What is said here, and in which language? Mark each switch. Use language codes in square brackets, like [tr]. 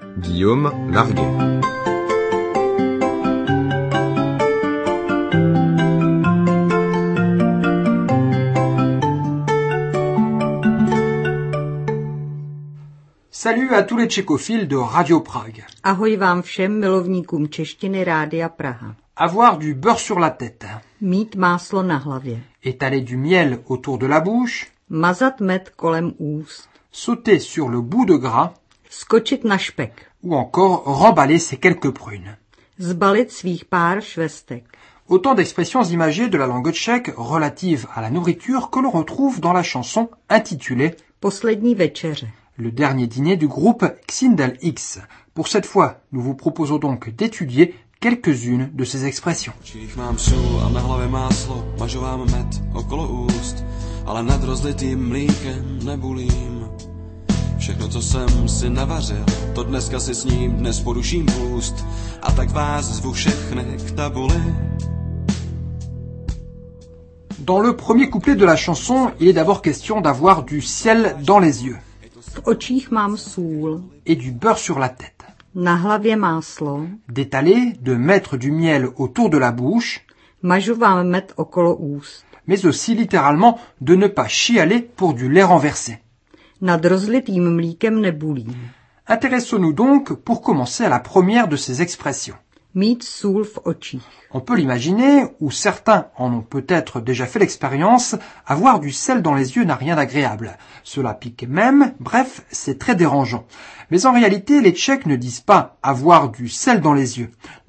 [fr] Guillaume Larguet. Salut à tous les tchécophiles de Radio Prague. [cs] Ahoj vám všem milovníkům češtiny Rádia Praha. [fr] Avoir du beurre sur la tête. [cs] Mít máslo na hlavě. [fr] Étaler du miel autour de la bouche. [cs] Mazat med kolem úst. [fr] Sauter sur le bout de gras. [cs] Skočit na špek. [fr] Ou encore remballer ses quelques prunes. [cs] Zbalit svých pár švestek. [fr] Autant d'expressions imagées de la langue tchèque relatives à la nourriture que l'on retrouve dans la chanson intitulée [cs] Poslední večeře. [fr] Le dernier dîner du groupe Xindel X. Pour cette fois, nous vous proposons donc d'étudier quelques-unes de ces expressions. [cs] Čích mám sůl a na hlavě máslo, mažu vám med okolo úst, ale nad rozlitým mlíkem nebulím. Všechno, co jsem si navařil, to dneska si s ním dnes poruším půst, a tak vás zvu všechny k tabuli. [fr] Dans le premier couplet de la chanson, il est d'abord question d'avoir du ciel dans les yeux. [cs] V očích mám sůl. [fr] Et du beurre sur la tête. [cs] Na hlavě máslo. [fr] D'étaler, de mettre du miel autour de la bouche. [cs] Mažu vám med okolo úst. [fr] Mais aussi littéralement de ne pas chialer pour du lait renversé. [cs] Nad rozlitým mlíkem nebulím. [fr] Intéressons-nous donc pour commencer à la première de ces expressions. [cs] Mít sůl v očích. [fr] On peut l'imaginer, ou certains en ont peut-être déjà fait l'expérience, avoir du sel dans les yeux n'a rien d'agréable. Cela pique même, bref, c'est très dérangeant. Mais en réalité, les Tchèques ne disent pas « avoir du sel dans les yeux ».